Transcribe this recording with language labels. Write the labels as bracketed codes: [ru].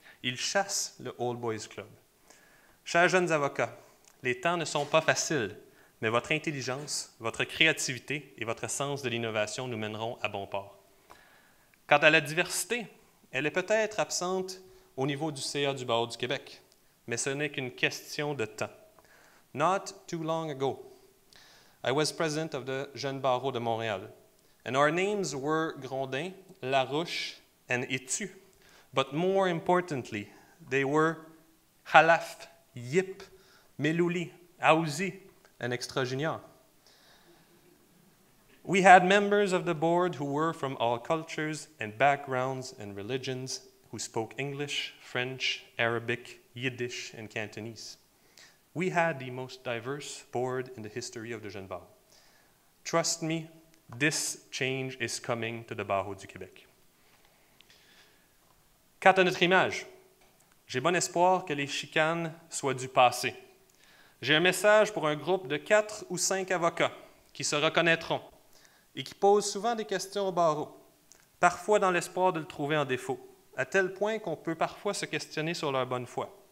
[fr] Il chasse le Old Boys Club. Chers jeunes avocats, les temps ne sont pas faciles, mais votre intelligence, votre créativité et votre sens de l'innovation nous mèneront à bon port. Quant à la diversité, elle est peut-être absente au niveau du CA du Barreau du Québec, mais ce n'est qu'une question de temps. [en] Not too long ago, I was president of the Jeune Barreau de Montréal, and our names were Grondin, Larouche, and Etu. But more importantly, they were Halaf, Yip, Melouli, Aouzi, and Extra Junior. We had members of the board who were from all cultures and backgrounds and religions, who spoke English, French, Arabic, Yiddish, and Cantonese. We had the most diverse board in the history of the Jeune Barreau. Trust me, this change is coming to the Barreau du Québec. [fr] Quant à notre image, j'ai bon espoir que les chicanes soient du passé. J'ai un message pour un groupe de 4 ou 5 avocats qui se reconnaîtront et qui posent souvent des questions au barreau, parfois dans l'espoir de le trouver en défaut, à tel point qu'on peut parfois se questionner sur leur bonne foi.